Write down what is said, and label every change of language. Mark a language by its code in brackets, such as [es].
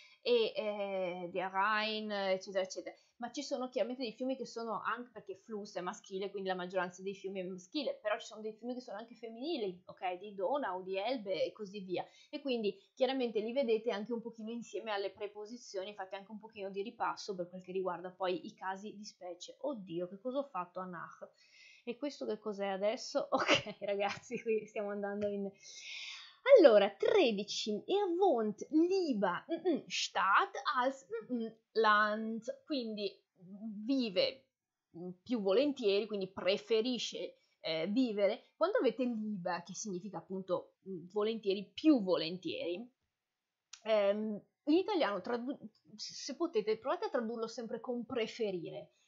[it] e di Rhine, eccetera, eccetera, ma ci sono chiaramente dei fiumi che sono anche perché Fluss è maschile, quindi la maggioranza dei fiumi è maschile, però ci sono dei fiumi che sono anche femminili, ok, di Donau, di Elbe e così via, e quindi chiaramente li vedete anche un pochino insieme alle preposizioni, fate anche un pochino di ripasso per quel che riguarda poi i casi di specie. Oddio, che cosa ho fatto a Nach? E questo che cos'è adesso? Ok, ragazzi, qui stiamo andando in. Allora, 13. [de] Er wohnt lieber in Stadt als Land. [it] Quindi vive più volentieri, quindi preferisce vivere. Quando avete lieber, che significa appunto volentieri, più volentieri, in italiano, se potete, provate a tradurlo sempre con preferire.